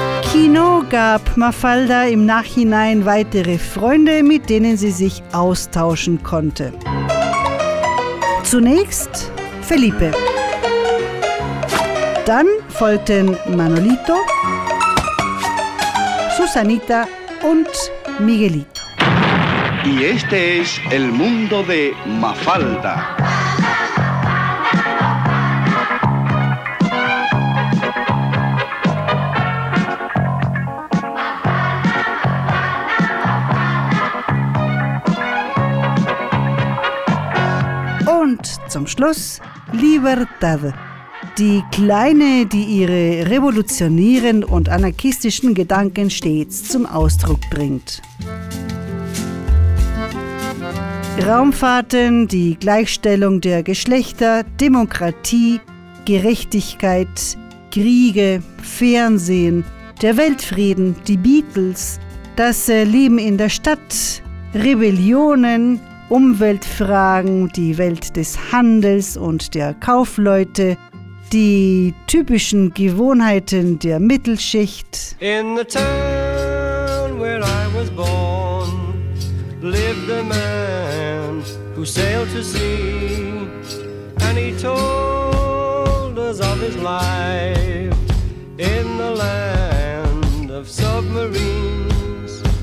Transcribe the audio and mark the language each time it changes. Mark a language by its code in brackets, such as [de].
[de] Kino gab Mafalda im Nachhinein weitere Freunde, mit denen sie sich austauschen konnte. Zunächst Felipe. Dann folgten Manolito, Susanita und Miguelito. [es] Y este es el mundo de Mafalda. [de] Und zum Schluss Libertad. Die Kleine, die ihre revolutionären und anarchistischen Gedanken stets zum Ausdruck bringt. Raumfahrten, die Gleichstellung der Geschlechter, Demokratie, Gerechtigkeit, Kriege, Fernsehen, der Weltfrieden, die Beatles, das Leben in der Stadt, Rebellionen, Umweltfragen, die Welt des Handels und der Kaufleute, die typischen Gewohnheiten der Mittelschicht. [en] In the town where I was born lived a man who sailed to sea and he told us of his life in the land of submarines